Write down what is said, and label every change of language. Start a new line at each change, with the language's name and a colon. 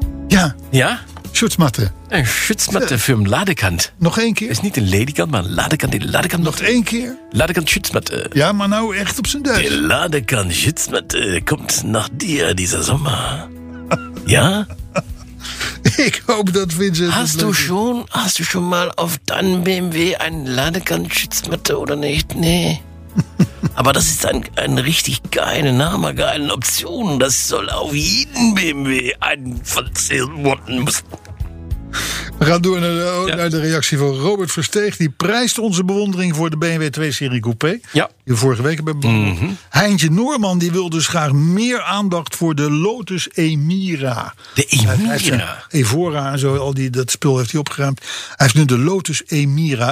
Dutch: Ja. Ja? Schutzmatte. Een schutzmatte voor een ladekant. Nog één keer. Het is niet een ledekant, maar een ladekant. Die ladekant nog één keer. Ladekant schutzmatte. Ja, maar nou echt op zijn Duits. De ladekant schutzmatte komt naar die deze zomer. Ja? Ik hoop dat Vincent...
German: Hast du schon mal auf dein BMW
Dutch: een ladekant schutzmatte
German: oder nicht? Nee. Aber das ist ein richtig geile Name, geile Option. Das soll auf jeden BMW einverzählt worden müssen.
Dutch: We gaan door naar naar de reactie van Robert Versteeg. Die prijst onze bewondering voor de BMW 2-serie Coupé. Ja. Die we vorige week hebben bewonderd. Mm-hmm. Heintje Noorman die wil dus graag meer aandacht voor de Lotus Emira. De Emira. Evora en zo, al die, dat spul heeft hij opgeruimd. Hij heeft nu de Lotus Emira.